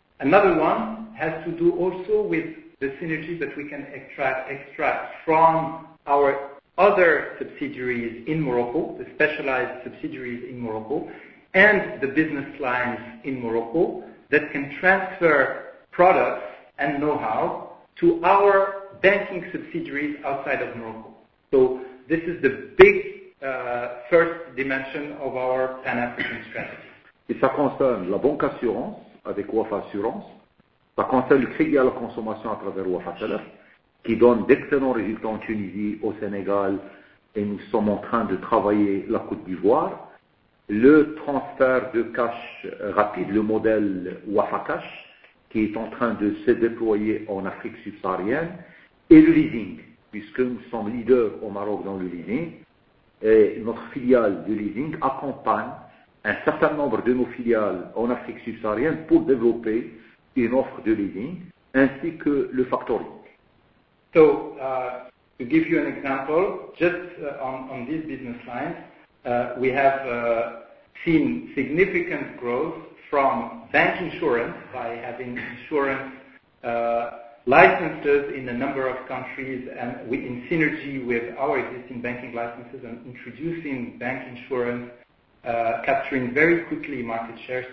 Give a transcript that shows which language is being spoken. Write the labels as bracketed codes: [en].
[en] Another one has to do also with the synergies that we can extract from our other subsidiaries in Morocco, the specialized subsidiaries in Morocco, and the business lines in Morocco that can transfer products and know-how to our banking subsidiaries outside of Morocco. So, this is the big first dimension of our Pan-African strategy. [fr] Et ça concerne la banque assurance avec Wafa Assurance. Ça concerne le crédit à la consommation à travers Wafa Telef, qui donne d'excellents résultats en Tunisie, au Sénégal, et nous sommes en train de travailler la Côte d'Ivoire. Le transfert de cash rapide, le modèle Wafa Cash, qui est en train de se déployer en Afrique subsaharienne, et le leasing, puisque nous sommes leaders au Maroc dans le leasing, et notre filiale de leasing accompagne un certain nombre de nos filiales en Afrique subsaharienne pour développer une offre de leasing, ainsi que le factoring. [en] So, to give you an example, just on these business lines, we have seen significant growth from bank insurance by having insurance licenses in a number of countries and in synergy with our existing banking licenses and introducing bank insurance, capturing very quickly market share.